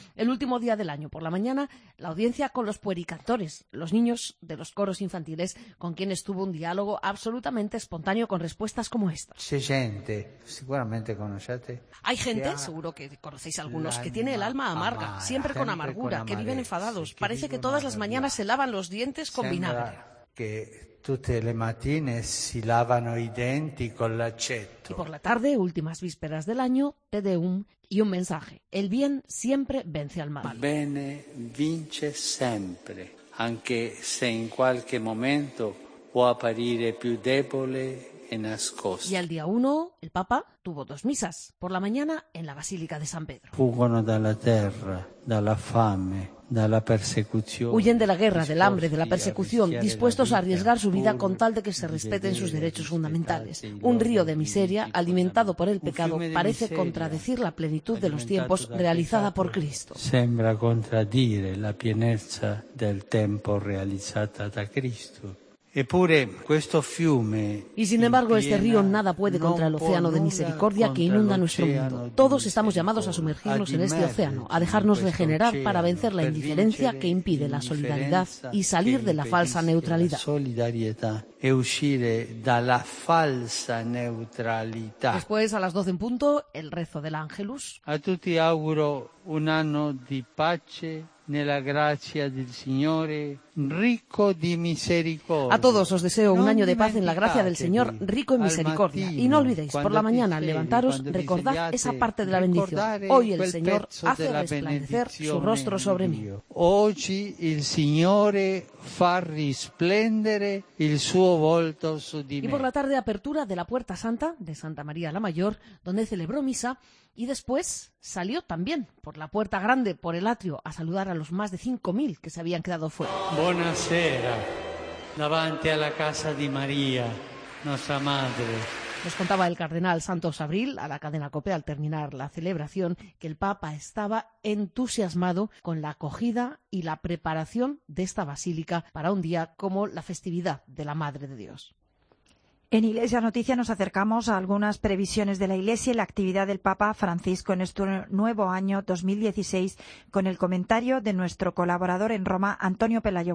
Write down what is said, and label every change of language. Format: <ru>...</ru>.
<es>El último día del año, por la mañana, la audiencia con los puericantores, los niños de los coros infantiles, con quienes tuvo un diálogo absolutamente espontáneo con respuestas como esta. Se siente, seguramente conocete. Hay gente, seguro que conocéis algunos, que tiene el alma amarga, siempre con amargura, que viven enfadados. Parece que todas las mañanas se lavan los dientes con vinagre.</es> <it>Que tutte le mattine si lavano i denti con l'aceto.</it> <es>Y por la tarde, últimas vísperas del año, Te Deum y un mensaje: el bien siempre vence al mal.</es> <it>Bene vince sempre, anche se in qualche momento può apparire più debole e nascosto.</it> <es>Y al día uno, el Papa tuvo dos misas, por la mañana en la Basílica de San Pedro.</es> <it>Fuggono dalla terra, dalla fame. Dalla persecución.</it> <es>Huyen de la guerra, del hambre, de la persecución, dispuestos a arriesgar su vida con tal de que se respeten sus derechos fundamentales. Un río de miseria, alimentado por el pecado, parece contradecir la plenitud de los tiempos realizada por Cristo.</es> <it>Sembra contraddire la pienezza del tempo realizzata da Cristo. Eppure questo fiume.</it> <es>Y sin embargo, este río nada puede contra el océano de misericordia que inunda nuestro mundo. Todos estamos llamados a sumergirnos en este océano, a dejarnos regenerar para vencer la indiferencia que impide la solidaridad y salir de la falsa neutralidad.</es> <it>E uscire dalla falsa neutralità.</it> <es>Después, a las 12 en punto, el rezo del Ángelus.</es> <it>A tutti auguro un anno di pace nella grazia del Signore, ricco di misericordia.</it> <es>A todos os deseo un año de paz en la gracia del Señor, rico en misericordia. Y no olvidéis, por la mañana, levantaros, recordad esa parte de la bendición. Hoy el Señor hace resplandecer su rostro sobre mí.</es> <it>Oggi il Signore fa risplendere il suo volto su di me.</it> <es>Y por la tarde, apertura de la Puerta Santa de Santa María la Mayor, donde celebró misa, y después salió también por la Puerta Grande, por el atrio, a saludar a los más de 5.000 que se habían quedado fuera.</es> <it>Buonasera, davanti alla casa di Maria, nostra madre.</it> <es>Nos contaba el cardenal Santos Abril a la cadena COPE al terminar la celebración que el Papa estaba entusiasmado con la acogida y la preparación de esta basílica para un día como la festividad de la Madre de Dios. En Iglesia Noticia nos acercamos a algunas previsiones de la Iglesia y la actividad del Papa Francisco en este nuevo año 2016 con el comentario de nuestro colaborador en Roma, Antonio Pelayo.</es>